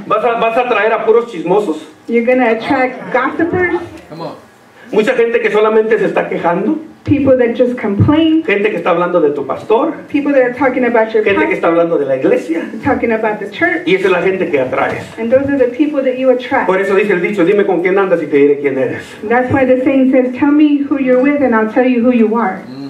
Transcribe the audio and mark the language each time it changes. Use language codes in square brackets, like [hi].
[es] Vas a traer a puros chismosos. [en] You're going to attract gossipers. Come on. [es] Mucha gente que solamente se está quejando. [en] People that just complain. [es] Gente que está hablando de tu pastor. [en] People that are talking about your [es] gente [en] pastor. [es] Que está hablando de la iglesia. [en] Talking about the church. [es] Y esa es la gente que atraes. [en] And those are the people that you attract. [es] Por eso dice el dicho, dime con quién andas y te diré quién eres. [en] That's why the saying says, tell me who you're with and I'll tell you who you are.